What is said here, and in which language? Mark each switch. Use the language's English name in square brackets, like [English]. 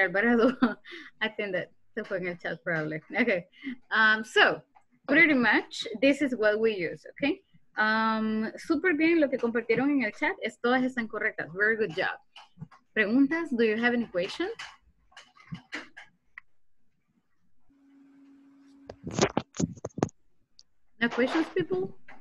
[Spanish] Alvarado, atiende, se fue en el chat, [English] probably. Okay, so. Pretty much, this is what we use, okay? [Spanish] Super bien, lo que compartieron en el chat, es todas están correctas. [English] Very good job. [Spanish] Preguntas, [English] do you have any questions? No questions, people?